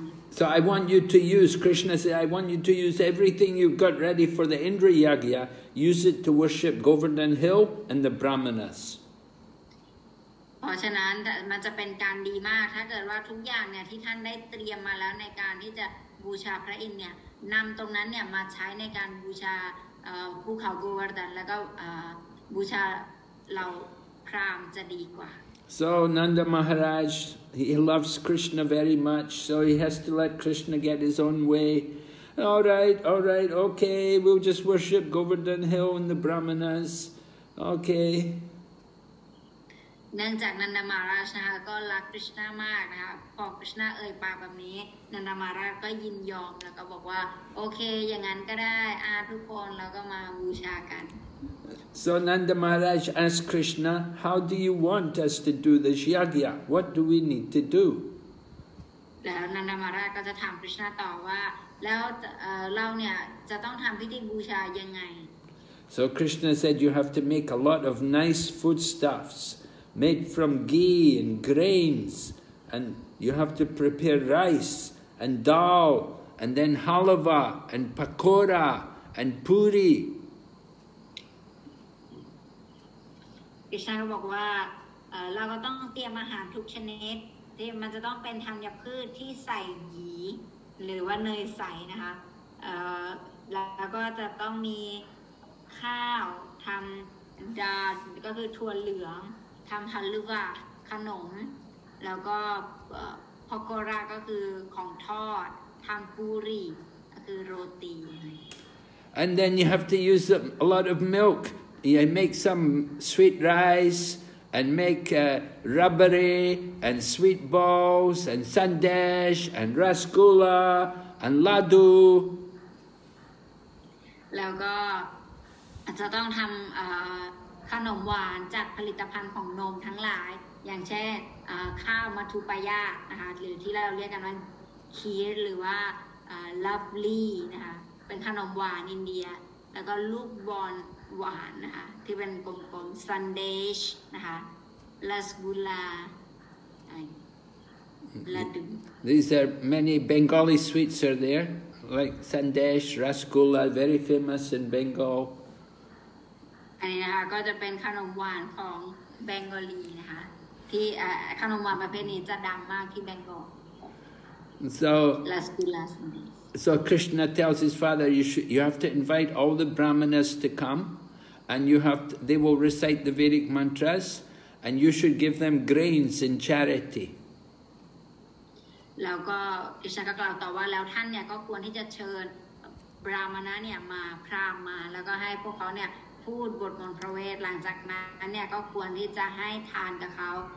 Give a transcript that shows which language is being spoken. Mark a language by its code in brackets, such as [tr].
[en] So I want you to use, Krishna said, I want you to use everything you've got ready for the Indra Yagya, use it to worship Govardhan Hill and the Brahmanas. [th] เพราะฉะนั้นมันจะเป็นการดีมากถ้าเกิดว่าทุกอย่างเนี่ยที่ท่านได้เตรียมมาแล้วในการที่จะบูชาพระอินทร์เนี่ยนำตรงนั้นเนี่ยมาใช้ในการบูชาภูเขาโกวาร์ดันแล้วก็บูชาเราพราหมณ์จะดีกว่า [en] So Nanda Maharaj he loves Krishna very much so he has to let Krishna get his own way all right okay we'll just worship Govardhan Hill and the Brahmanas okay [th] เนื่องจากนันดามาราชนะคะก็รักคริสต์มากนะคะพอคริสต์เอ่ยปากแบบนี้นันดามาราชก็ยินยอมแล้วก็บอกว่าโอเคอย่างนั้นก็ได้อาทุกคนแล้วก็มาบูชากัน [en] So Nanda Maharaj asked Krishna how do you want us to do this yagya what do we need to do [th] แล้วนันดามาราชก็จะถามคริสต์ต่อว่าแล้วเราเนี่ยจะต้องทำพิธีบูชายังไง [en] So Krishna said you have to make a lot of nice foodstuffsmade from ghee and grains and you have to prepare rice and dal and then halwa and pakora and puri [th] Krishna บอกว่าเราก็ต้องเตรียมอาหารทุกชนิดที่มันจะต้องเป็นทางยพืชที่ใส่ยีหรือว่าเนยใสนะคะแล้วก็จะต้องมีข้าวทำดาลก็คือถั่วเหลืองทำฮัลลูวาขนมแล้วก็พอกอราก็คือของทอดทำปูรีก็คือโรตี [en] and then you have to use a lot of milk you make some sweet rice and make rubbery and sweet balls and sandesh and rasgulla and ladu [th] แล้วก็จะต้องทำขนมหวานจากผลิตภัณฑ์ของนมทั้งหลายอย่างเช่นข้าวมัทุปายะนะคะหรือที่เราเรียกกันว่าคีรหรือว่าลัฟลี่นะคะเป็นขนมหวานอินเดียแล้วก็ลูกบอลหวานนะคะที่เป็นกลมๆซันเดชนะคะลาสกุลาลาดู [en] These are many Bengali sweets are there like Sandesh, Rasgulla very famous in Bengal. [th] อันนี้นะคะก็จะเป็นขนมหวานของเบงกอลีนะคะที่ขนมหวานประเภทนี้จะดังมากที่เบงกอล [en] so Lasgulas so Krishna tells his father you have to invite all the brahmanas to come and you have to, they will recite the Vedic mantras and you should give them grains in charity [th] แล้วก็ Krishna ก็กล่าวต่อว่าแล้วท่านเนี่ยก็ควรที่จะเชิญบรามณะเนี่ยมาพราหมณ์มาแล้วก็ให้พวกเขาเนี่ยพูดบทมนต์พระเวทหลังจากนั้นเนี่ยก็ควรที่จะให้ทานกับเขา